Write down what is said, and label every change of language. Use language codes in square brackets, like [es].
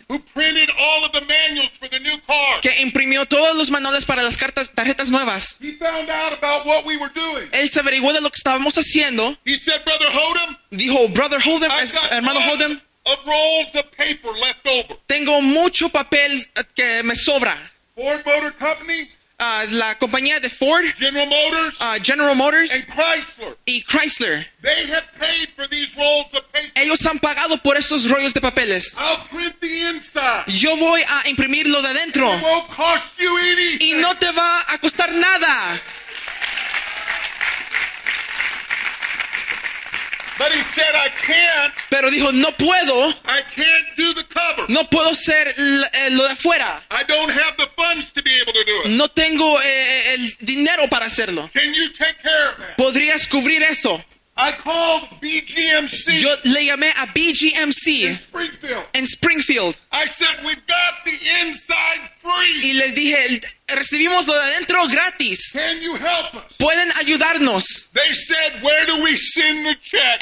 [en] Who printed all of the manuals for the new car. [es] Que imprimió todos los manuales para las cartas, tarjetas nuevas. [en] He found out about what we were doing. [es] Él se averiguó de lo que estábamos haciendo. [en] He said, Brother Holdem. [es] Dijo, [en] Brother Holdem, [es] hermano Holdem. [en] Of rolls of paper left over. [es] Tengo mucho papel que me sobra. [en] Ford Motor Company. [es] La compañía de Ford, [en] General Motors, and Chrysler. [es] Y Chrysler. [en] They have paid for these rolls of paper. [es] Ellos han pagado por esos rollos de papeles. [en] I'll print the inside. [es] Yo voy a imprimirlo de adentro. [en] It won't cost you anything. [es] Y no te va a costar nada. [en] But he said, I can't. [es] Pero dijo, no puedo. [en] I can't do the cover. [es] No puedo ser lo de afuera. [en] I don't have the funds to be able to do it. [es] No tengo el dinero para hacerlo. [en] Can you take care of that? [es] ¿Podrías cubrir eso? [en] I called BGMC. [es] Yo le llamé a BGMC. [en] In Springfield. I said, we got the inside free. [es] Y les dije, recibimos lo de adentro gratis. [en] Can you help us? [es] ¿Pueden ayudarnos? [en] They said, where do we send the check?